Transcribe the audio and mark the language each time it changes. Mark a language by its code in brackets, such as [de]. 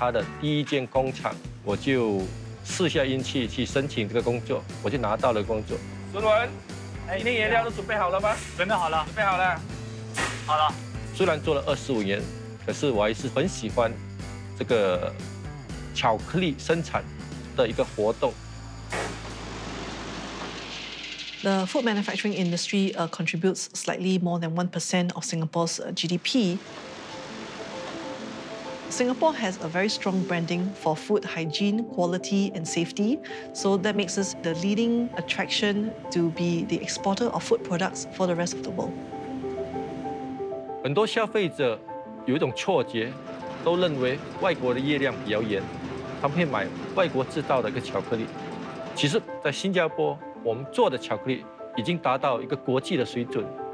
[zh] 只有过年过节，我们才能够吃到。现在我每天都吃巧克力。在加入百乐家里宝之前，我本身是在电子行业的一个工程师。在大概95年的时候，知道百乐家里宝要在亚太区设立他的第一间工厂，我就 试下运气去申请这个工作，我就拿到了工作。孙文，哎，你原料都准备好了吗？准备好了，准备好了。好了。虽然做了25年，可是我还是很喜欢这个巧克力生产的一个活动。The [en] food manufacturing industry contributes slightly more than 1% of Singapore's GDP. Singapore has a very strong branding for food hygiene, quality and safety. So that makes us the leading attraction to be the exporter of food products for the rest of the world. [zh] 很多消费者有一种错觉，都认为外国的热量比较严，他们会买外国制造的一个巧克力。其实在新加坡，我们做的巧克力已经达到一个国际的水准。